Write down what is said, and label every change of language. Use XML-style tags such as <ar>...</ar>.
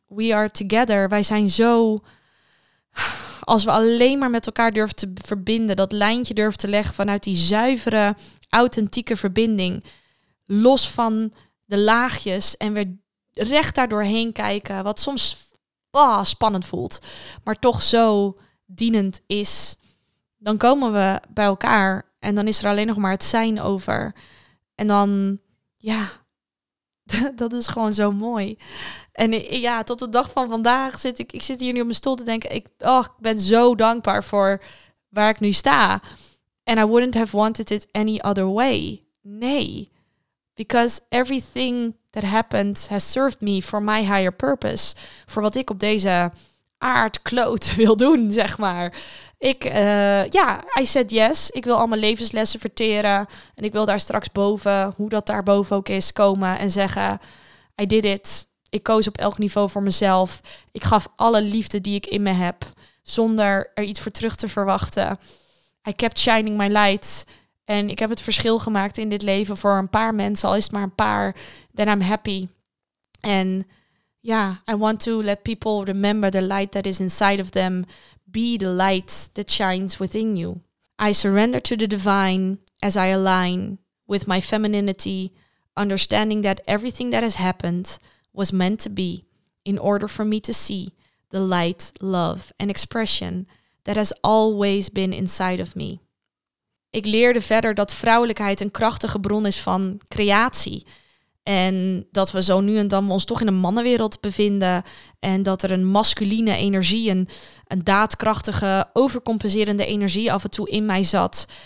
<en>We are together.</en> <nl>Wij zijn zo, als we alleen maar met elkaar durven te verbinden, dat lijntje durven te leggen vanuit die zuivere, authentieke verbinding, los van de laagjes en weer recht daardoorheen kijken, wat soms spannend voelt, maar toch zo dienend is, dan komen we bij elkaar en dan is er alleen nog maar het zijn over. En dan, ja, dat is gewoon zo mooi. En ja, tot de dag van vandaag zit ik zit hier nu op mijn stoel te denken, ik ben zo dankbaar voor waar ik nu sta.</nl> <en>And I wouldn't have wanted it any other way. Nee. Because everything that happened has served me for my higher purpose.</en> <nl>Voor wat ik op deze aardkloot wil doen, zeg maar. Ik, ja,</nl> <en>I said yes.</en> <nl>Ik wil al mijn levenslessen verteren. En ik wil daar straks boven, hoe dat daarboven ook is, komen en zeggen,</nl> <en>I did it.</en> <nl>Ik koos op elk niveau voor mezelf. Ik gaf alle liefde die ik in me heb, zonder er iets voor terug te verwachten.</nl> <en>I kept shining my light.</en> <nl>En ik heb het verschil gemaakt in dit leven voor een paar mensen, al is het maar een paar,</nl> <en>then I'm happy. En ja, I want to let people remember the light that is inside of them. Be the light that shines within you. I surrender to the divine as I align with my femininity, understanding that everything that has happened was meant to be in order for me to see the light, love and expression that has always been inside of me.</en> <nl>Ik leerde verder dat vrouwelijkheid een krachtige bron is van creatie. En dat we zo nu en dan ons toch in een mannenwereld bevinden. En dat er een masculine energie, een daadkrachtige, overcompenserende energie af en toe in mij zat.</nl>